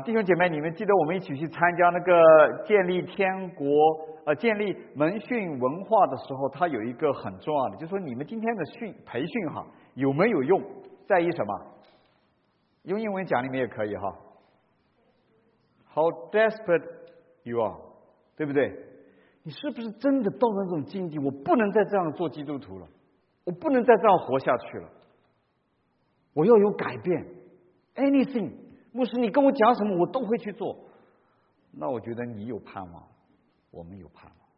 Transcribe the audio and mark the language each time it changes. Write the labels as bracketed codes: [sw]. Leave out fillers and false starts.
[zh] 弟兄姐妹，你们记得我们一起去参加那个建立天国建立门训文化的时候，它有一个很重要的，就是说你们今天的训培训哈，有没有用，在于什么？用英文讲里面也可以哈。 [en] How desperate you are， [zh] 对不对？你是不是真的到了那种境地，我不能再这样做基督徒了，我不能再这样活下去了，我要有改变。 [en] Anything， [zh] 牧师你跟我讲什么我都会去做，那我觉得你有盼望，我们有盼望。